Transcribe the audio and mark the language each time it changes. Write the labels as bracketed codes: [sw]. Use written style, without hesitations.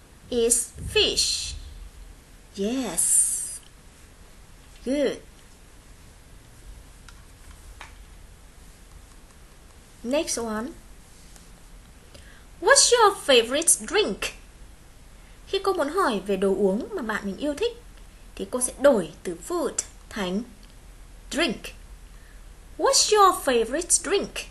[en] It's fish. Yes. Good. Next one. What's your favorite drink? [vi] Khi cô muốn hỏi về đồ uống mà bạn mình yêu thích thì cô sẽ đổi từ food thành drink. [en] What's your favorite drink?